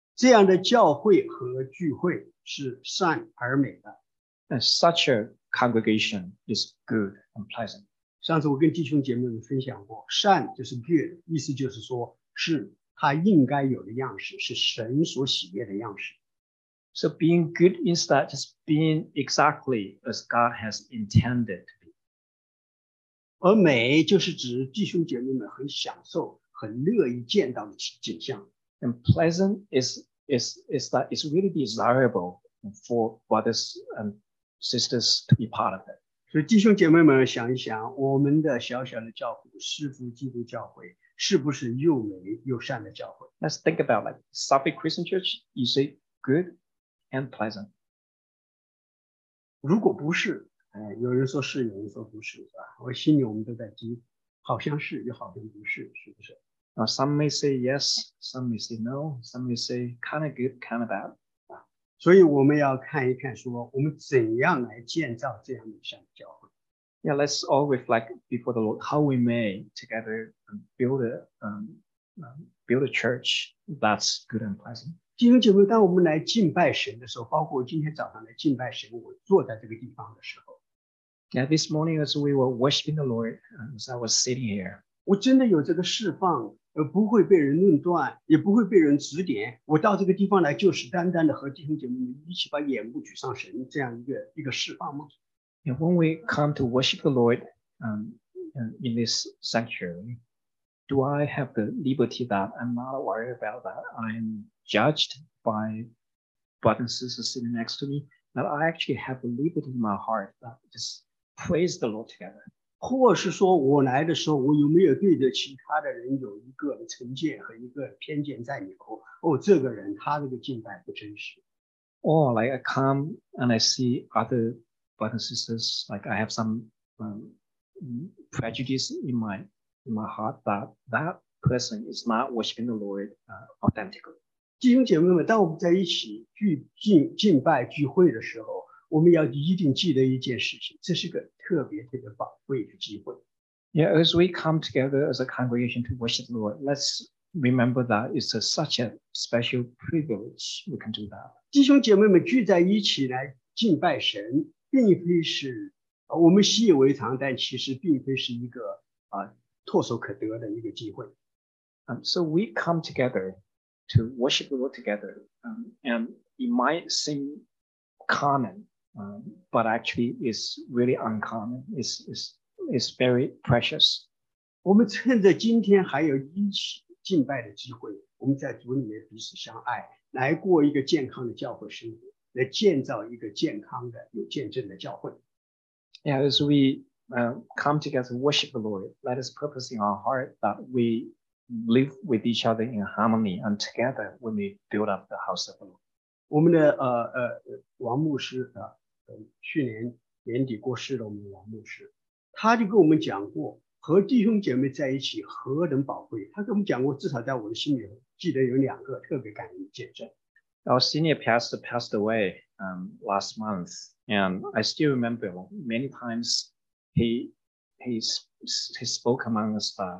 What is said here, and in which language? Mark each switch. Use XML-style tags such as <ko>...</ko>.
<zh>这样的教会和聚会是善而美的。</zh> <en>And such a congregation is good and pleasant.</en> <zh>上次我跟弟兄姐妹们分享过，善就是 good， 意思就是说是他应该有的样式，是神所喜悦的样式。</zh> <en>So being good means that just being exactly as God has intended to be.</en> <zh>而美就是指弟兄姐妹们很享受、很乐意见到的景象。</zh> <en>And pleasant is that it's really desirable for brothers and sisters to be part of it.</en> <zh>所以弟兄姐妹们想一想，我们的小小的教会，师父基督教会，是不是又美又善的教会？</zh> <en>Let's think about like Suffolk Christian Church. You say good and pleasant.</en> <zh>如果不是，有人说是，有人说不是，是吧？我心里我们都在急，好像是又好像不是，是不是？</zh> <en>Now, some may say yes, some may say no, some may say kind of good, kind of bad.</en> <zh>所以我们要看一看说我们怎样来建造这样的善的教会。</zh> <en>Yeah, let's all reflect before the Lord how we may together build a church that's good and pleasant.</en> <zh>弟兄姐妹，当我们来敬拜神的时候，包括今天早上来敬拜神，我坐在这个地方的时候。</zh> <en>Yeah, this morning as we were worshiping the Lord, as I was sitting here.</en> <zh>我真的有这个释放，不会被人论断，也不会被人指点。我到这个地方来，就是单单的和弟兄姐妹们一起把眼目举上神，这样一个释放吗？</zh> <en>And when we come to worship the Lord, in this sanctuary, do I have the liberty that I'm not worried about that I'm judged by brothers and sisters sitting next to me? That I actually have the liberty in my heart that just praise the Lord together.</en> <zh>或是说我来的时候，我有没有对着其他的人有一个成见和一个偏见在里头？哦，这个人他这个敬拜不真实。</zh> <en>Or like I come and I see other brothers and sisters, like I have some prejudice in my heart that person is not worshiping the Lord authentically.</en> <zh>弟兄姐妹们，当我们在一起敬拜聚会的时候，我们要一定记得一件事情，这是个特别特别宝贵的机会。</zh> <en>Yeah, as we come together as a congregation to worship the Lord, let's remember that it's such a special privilege we can do that.</en> <zh>弟兄姐妹们聚在一起来敬拜神，并非是我们习以为常，但其实并非是一个唾手可得的一个机会。</zh> <en>So we come together to worship the Lord together, and it might seem common, but actually it's really uncommon. It's very precious.</en> <zh>我们趁着今天还有一起敬拜的机会，我们在主里面彼此相爱，来过一个健康的教会生活，来建造一个健康的有见证的教会。</zh> <en>Yeah, as we come together to worship the Lord, let us purpose in our heart that we live with each other in harmony and together when we build up the house of the Lord.</en> <zh>我们的王牧师去年年底过世了，我们的王牧师他就跟我们讲过和弟兄姐妹在一起何等宝贵。他跟我们讲过，至少在我的心里记得有两个特别感人的见证。</zh> <en>Our senior pastor passed away last month, and I still remember many times he spoke among us.</en>